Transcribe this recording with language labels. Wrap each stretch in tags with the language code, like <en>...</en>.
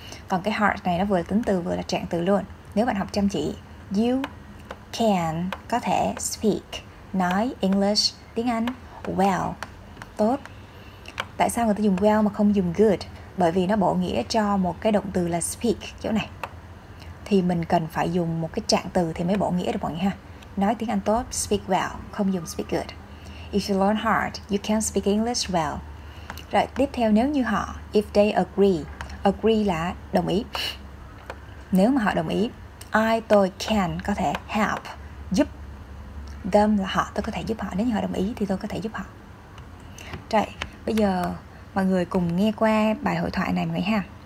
<vi>Còn cái heart này nó vừa là tính từ vừa là trạng từ luôn. Nếu bạn học chăm chỉ,</vi> <en>you can</en> <vi>có thể speak, nói English, tiếng Anh well, tốt. Tại sao người ta dùng well mà không dùng good? Bởi vì nó bổ nghĩa cho một cái động từ là speak chỗ này, thì mình cần phải dùng một cái trạng từ thì mới bổ nghĩa được mọi người ha. Nói tiếng Anh tốt,</vi> <en>speak well,</en> <vi>không dùng</vi> <en>speak good. If you learn hard, you can speak English well.</en> <vi>Rồi tiếp theo, nếu như họ,</vi> <en>if they agree,</en> <vi>agree là đồng ý. Nếu mà họ đồng ý, I, tôi, can, có thể, help, giúp. Them là họ, tôi có thể giúp họ. Nếu như họ đồng ý thì tôi có thể giúp họ. Rồi, bây giờ mọi người cùng nghe qua bài hội thoại này mọi người ha.</vi>